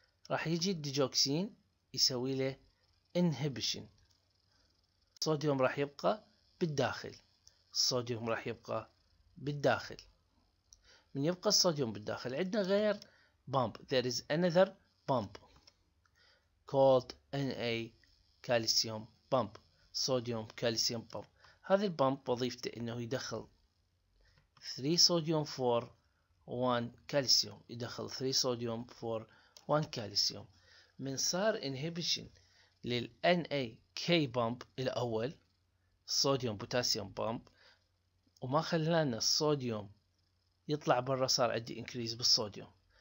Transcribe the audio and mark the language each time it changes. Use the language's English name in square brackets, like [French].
[Arabic] راح يجي الديجوكسين يسوي له inhibition. الصوديوم راح يبقى بالداخل. الصوديوم راح يبقى بالداخل. من يبقى الصوديوم بالداخل عندنا غير بامب. [English] There is another pump called Na calcium pump. [Arabic] صوديوم كالسيوم pump. هذا البامب وظيفته انه يدخل 3 صوديوم for 1 كالسيوم. يدخل 3 صوديوم for 1 كالسيوم. من صار inhibition لل Na K بامب الأول صوديوم بوتاسيوم بامب وما خلانا الصوديوم يطلع برا صار عندي increase بالصوديوم.